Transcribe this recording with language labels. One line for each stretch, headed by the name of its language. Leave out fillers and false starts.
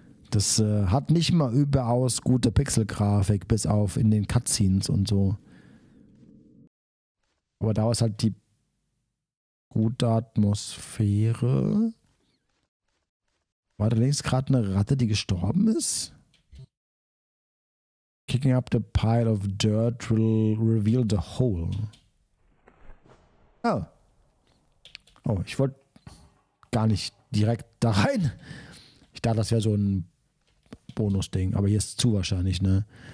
German: Das hat nicht mal überaus gute Pixelgrafik, bis auf in den Cutscenes und so. Aber da war es halt die gute Atmosphäre. War da links gerade eine Ratte, die gestorben ist?
English: Kicking up the pile of dirt will reveal the hole. Oh.
German: Oh, ich wollte gar nicht direkt da rein. Ich dachte, das wäre so ein Bonus-Ding, aber hier ist es zu wahrscheinlich, ne?